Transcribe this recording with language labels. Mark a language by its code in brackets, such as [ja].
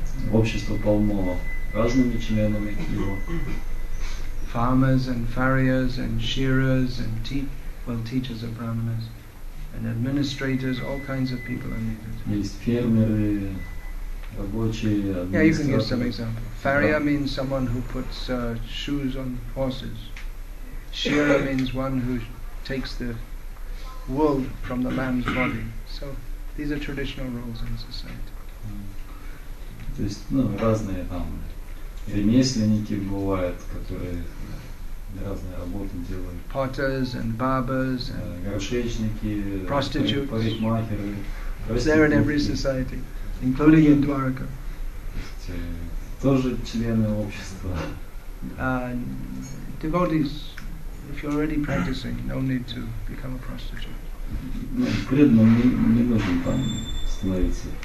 [ru] В обществе полно разными членами его. [en] Farmers and farriers and shearers and teachers are Brahmanas. And administrators, all kinds of people are needed. [ru] Есть фермеры, рабочие, администраторы. [en] Yeah, you can give some examples. Farrier means someone who puts shoes on horses. Shearer means one who takes the wool from the man's body. So these are traditional roles in society. [ru] То есть, ну, разные там ремесленники бывают, которые разные работы делают. [en] Potters and barbers and [ru] горшечники, [en] prostitutes. [ru] Парикмахеры. [en] It's there in every society, including in Dwarka. [ru] Тоже члены общества. [en] Devotees, if you're already practicing, no need to become a prostitute. [ru] Преданным не нужно там становиться.